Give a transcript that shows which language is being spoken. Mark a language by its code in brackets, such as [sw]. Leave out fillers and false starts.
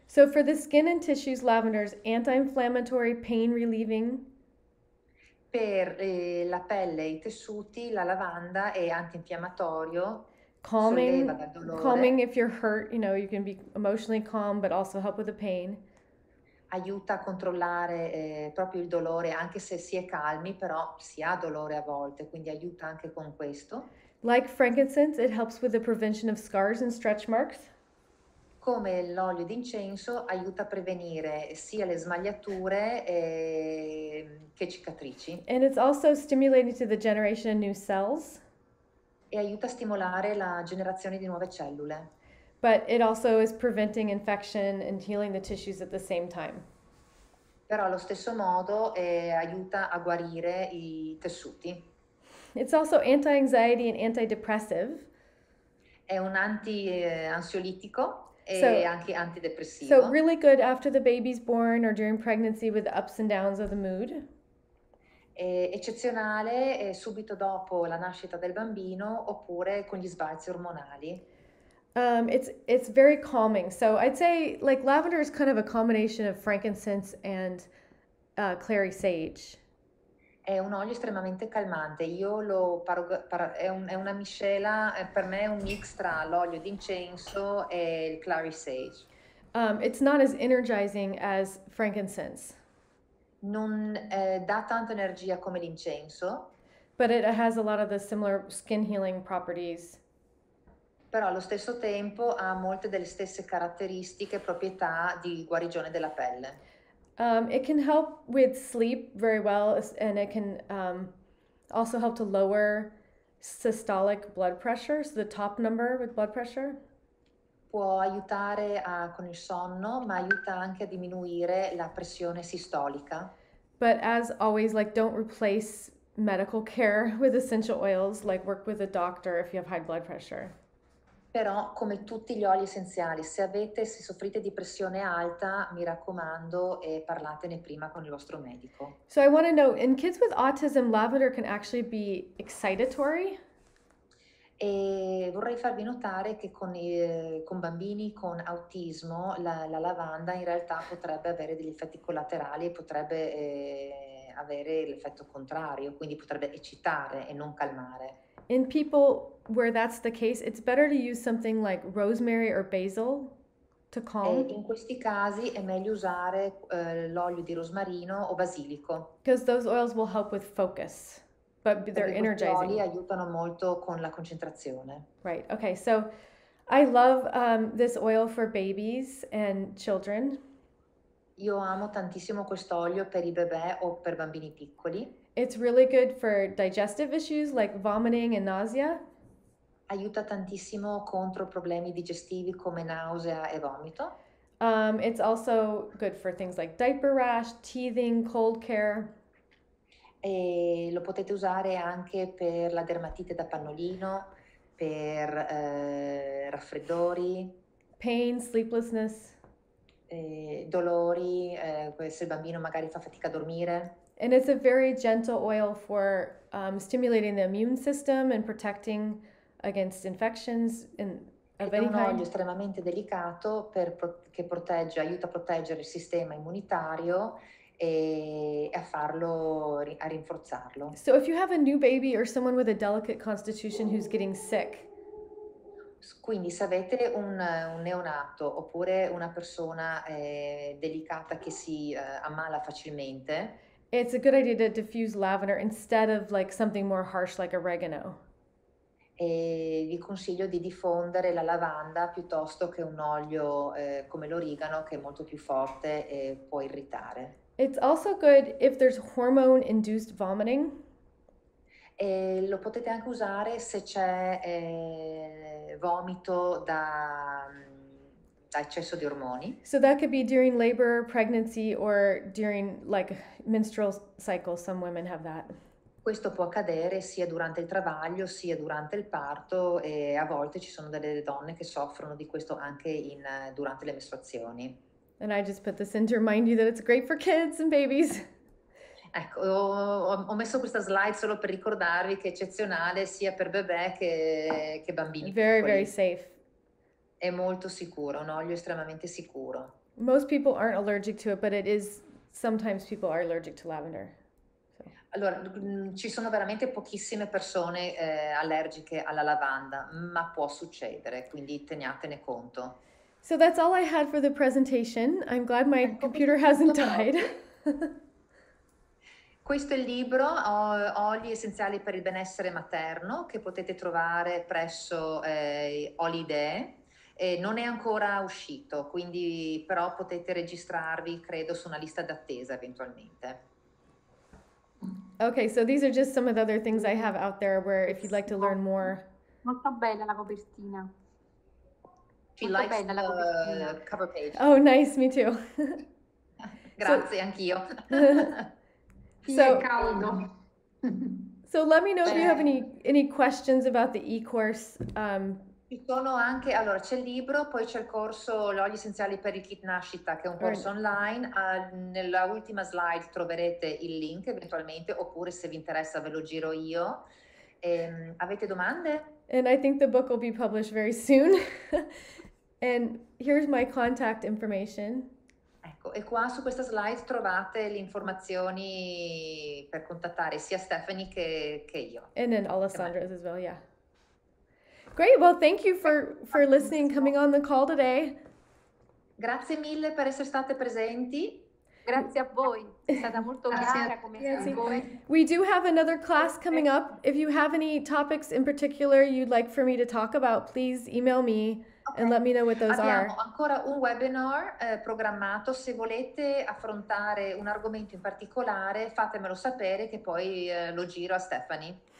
[en] So for the skin and tissues, lavender is anti-inflammatory, pain relieving. [it] Per la pelle e i tessuti, la lavanda è antinfiammatorio. [en] Calming if you're hurt, you know, you can be emotionally calm but also help with the pain. [it] Aiuta a controllare proprio il dolore anche se si è calmi, però si ha dolore a volte, quindi aiuta anche con questo. [en] Like frankincense, it helps with the prevention of scars and stretch marks. [it] Come l'olio d'incenso aiuta a prevenire sia le smagliature che cicatrici. [en] And it's also stimulating to the generation of new cells. [it] E aiuta a stimolare la generazione di nuove cellule. [en] But it also is preventing infection and healing the tissues at the same time. [it] Però allo stesso modo aiuta a guarire i tessuti. [en] It's also anti-anxiety and antidepressive. [it] È un anti-ansiolitico e anche antidepressivo. [en] So really good after the baby's born or during pregnancy with the ups and downs of the mood. [it] È eccezionale subito dopo la nascita del bambino oppure con gli sbalzi ormonali. [en] It's very calming. So I'd say like lavender is kind of a combination of frankincense and clary sage. [it] È un olio estremamente calmante. Io lo è una miscela, per me è un mix tra l'olio d'incenso e il clary sage. [en] It's not as energizing as frankincense. [it] Non dà tanta energia come l'incenso. [en] But it has a lot of the similar skin healing properties. [it] Però allo stesso tempo ha molte delle stesse caratteristiche, proprietà di guarigione della pelle. [en] It can help with sleep very well, and it can also help to lower systolic blood pressure, so the top number with blood pressure. [it] Può aiutare con il sonno, ma aiuta anche a diminuire la pressione sistolica. [en] But as always, like, don't replace medical care with essential oils. Like, work with a doctor if you have high blood pressure. [it] Però, come tutti gli oli essenziali, se soffrite di pressione alta, mi raccomando, parlatene prima con il vostro medico. [en] So I want to know, in kids with autism, lavender can actually be excitatory? [it] E vorrei farvi notare che con bambini con autismo, la lavanda in realtà potrebbe avere degli effetti collaterali e potrebbe avere l'effetto contrario, quindi potrebbe eccitare e non calmare. [en] In people where that's the case, it's better to use something like rosemary or basil to calm. [it] E in questi casi è meglio usare l'olio di rosmarino o basilico. [en] Because those oils will help with focus, but they're energizing. [it] Questi oli aiutano molto con la concentrazione. [en] Right. Okay. So I love this oil for babies and children. [it] Io amo tantissimo quest'olio per i bebè o per bambini piccoli. [en] It's really good for digestive issues like vomiting and nausea. [it] Aiuta tantissimo contro problemi digestivi come nausea e vomito. [en] It's also good for things like diaper rash, teething, cold care. [it] E lo potete usare anche per la dermatite da pannolino, per raffreddori. [en] Pain, sleeplessness. [it] Dolori, se il bambino magari fa fatica a dormire. [en] And it's a very gentle oil for stimulating the immune system and protecting against infections of any kind. [it] È un olio estremamente delicato aiuta a proteggere il sistema immunitario e a rinforzarlo. [en] So if you have a new baby or someone with a delicate constitution who's getting sick. [it] Quindi se avete un neonato oppure una persona delicata che si ammala facilmente. [en] It's a good idea to diffuse lavender instead of like something more harsh like oregano. [it] E vi consiglio di diffondere la lavanda piuttosto che un olio come l'origano che è molto più forte e può irritare. [en] It's also good if there's hormone induced vomiting. [it] E lo potete anche usare se c'è vomito da eccesso di ormoni. [en] So that could be during labor, pregnancy, or during like menstrual cycle. Some women have that. [it] Questo può accadere sia durante il travaglio sia durante il parto e a volte ci sono delle donne che soffrono di questo anche durante le mestruazioni. [en] And I just put this in to remind you that it's great for kids and babies. [it] Ecco, ho messo questa slide solo per ricordarvi che è eccezionale sia per bebè che bambini. [en] Very [it] piccoli. [en] Very safe. [it] È molto sicuro, un olio estremamente sicuro. [en] Most people aren't allergic to it, but it is sometimes people are allergic to lavender. So. [it] Allora, ci sono veramente pochissime persone allergiche alla lavanda, ma può succedere, quindi teniatene conto. [en] So that's all I had for the presentation. I'm glad my computer hasn't died. [it] Questo è il libro Oli essenziali per il benessere materno che potete trovare presso Olidee. Non è ancora uscito, quindi però potete registrarvi, credo, su una lista d'attesa eventualmente. [en] Okay, so these are just some of the other things I have out there where if you'd like to learn more. [it] Molto bella la copertina. [en] She [it] Molto [en] likes [it] bella la copertina. [en] Cover page. Oh, nice, me too. [it] Grazie, anch'io. [en] So, [it] è caldo. [en] So let me know if you have any questions about the e-course. [it] Ci sono anche, allora c'è il libro, poi c'è il corso L'olio essenziale per il kit nascita, che è un corso online. Nella ultima slide troverete il link eventualmente, oppure se vi interessa ve lo giro io. Avete domande? [en] And I think the book will be published very soon. And here's my contact information. [it] Ecco, e qua su questa slide trovate le informazioni per contattare sia Stephanie che io. [en] And then Alessandra's as well, yeah. Great, well, thank you for listening, coming on the call today. [it] Grazie mille per essere state presenti. Grazie a voi, è stata molto chiara come grazie. Voi. [en] We do have another class coming up. If you have any topics in particular you'd like for me to talk about, please email me and let me know what those [it] Abbiamo [en] are. [it] Abbiamo ancora un webinar programmato. Se volete affrontare un argomento in particolare, fatemelo sapere che poi lo giro a Stephanie.